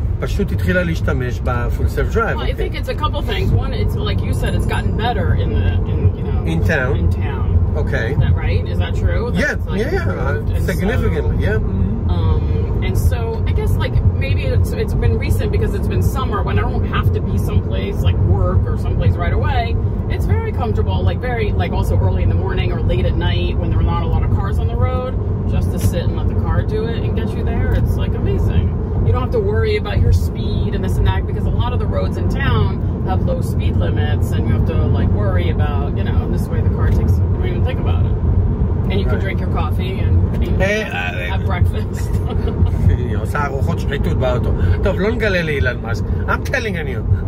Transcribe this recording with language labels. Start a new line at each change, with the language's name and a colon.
Hebrew: פשוט התחילה להשתמש ב-Full Self Drive.
English: Well, I think it's a couple things. One, it's like you said, it's gotten better in the, In town. In town. Okay. Is that right? Is that true? Significantly, yeah. And so, I guess like, maybe it's been recent because it's been summer when I don't have to be someplace like work or someplace right away. It's very comfortable, like very, like also early in the morning or late at night when there are not a lot of cars on the road, just to sit and let the car do it and get you there. It's like amazing. You don't have to worry about your speed and this and that because a lot of the roads in town have low speed limits and you have to like worry about, you know, this way the car takes, you don't even think about it. And you can drink your coffee and have breakfast.
Hebrew: היא עושה ארוחות שחיתות באוטו. טוב, לא נגלה לאילן מאסק.
English: I'm telling you.